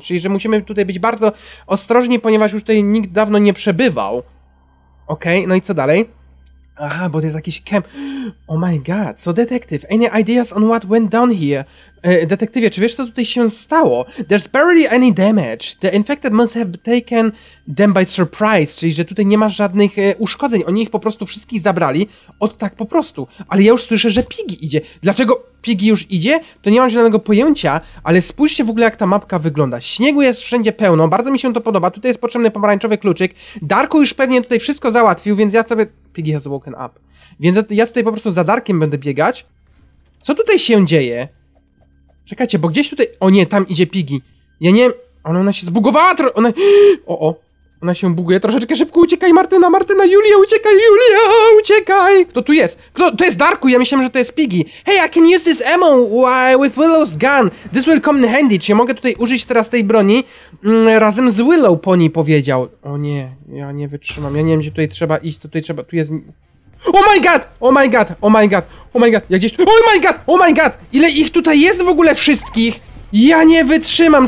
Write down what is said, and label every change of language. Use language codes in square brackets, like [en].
[pl] Czyli, że musimy tutaj być bardzo ostrożni, ponieważ już tutaj nikt dawno nie przebywał. Okej, okay, no i co dalej? Aha, bo to jest jakiś camp. [en] Oh my god, so detective, any ideas on what went down here? [pl] Detektywie, czy wiesz, co tutaj się stało? [en] There's barely any damage. The infected must have taken them by surprise. [pl] Czyli, że tutaj nie ma żadnych uszkodzeń. Oni ich po prostu wszystkich zabrali. Od tak po prostu. Ale ja już słyszę, że Piggy idzie. Dlaczego Piggy już idzie? To nie mam żadnego pojęcia, ale spójrzcie w ogóle, jak ta mapka wygląda. Śniegu jest wszędzie pełno, bardzo mi się to podoba. Tutaj jest potrzebny pomarańczowy kluczyk. Darku już pewnie tutaj wszystko załatwił, więc ja sobie... [en] Piggy has woken up. [pl] Więc ja tutaj po prostu za Darkiem będę biegać. Co tutaj się dzieje? Czekajcie, bo gdzieś tutaj... O nie, tam idzie Piggy. Ja nie... Ona się zbugowała trochę... Ona... O, o. Ona się buguje. Troszeczkę szybko uciekaj, Martyna, Martyna, Julia, uciekaj, Julia, uciekaj! Kto tu jest? Kto? To jest Darku, ja myślałem, że to jest Piggy. [en] Hey, I can use this ammo with Willow's gun. This will come in handy. [pl] Czy ja mogę tutaj użyć teraz tej broni? Razem z Willow, po niej powiedział. O nie, ja nie wytrzymam. Ja nie wiem, gdzie tutaj trzeba iść, co tutaj trzeba... Tu jest... [en] Oh my god! Oh my god! Oh my god! Oh my god! [pl] Ja gdzieś... [en] Oh my god! Oh my god! [pl] Ile ich tutaj jest w ogóle wszystkich? Ja nie wytrzymam!